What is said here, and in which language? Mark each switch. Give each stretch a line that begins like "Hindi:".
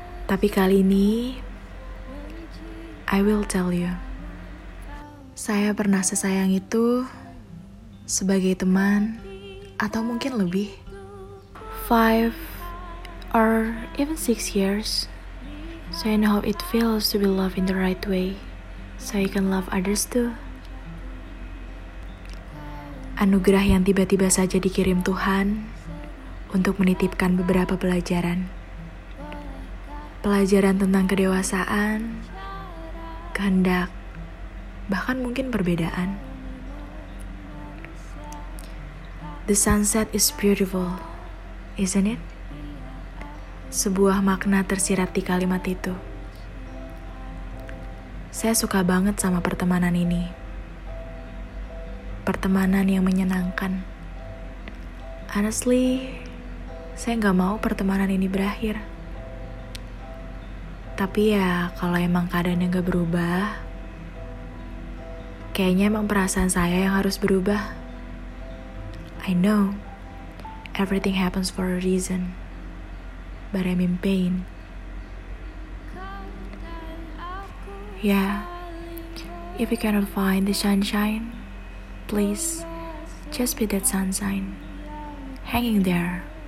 Indonesian: Tapi kali ini,
English: I will tell you.
Indonesian: Saya pernah sesayang itu sebagai teman atau mungkin lebih.
English: 5 or even 6 years. So I know how it feels to be loved in the right way. So you can love others too.
Indonesian: Anugerah yang tiba-tiba saja dikirim Tuhan untuk menitipkan beberapa pelajaran. Pelajaran tentang kedewasaan, kehendak, bahkan mungkin perbedaan.
English: The sunset is beautiful, isn't it?
Indonesian: Sebuah makna tersirat di kalimat itu. Saya suka banget sama pertemanan ini. Pertemanan yang menyenangkan. Honestly, saya gak mau pertemanan ini berakhir. Tapi ya, kalau emang keadaannya gak berubah, kayaknya emang perasaan saya yang harus berubah.
English: I know, everything happens for a reason. But I'm in pain. Yeah, if you cannot find the sunshine, please, just be that sunshine, hanging there.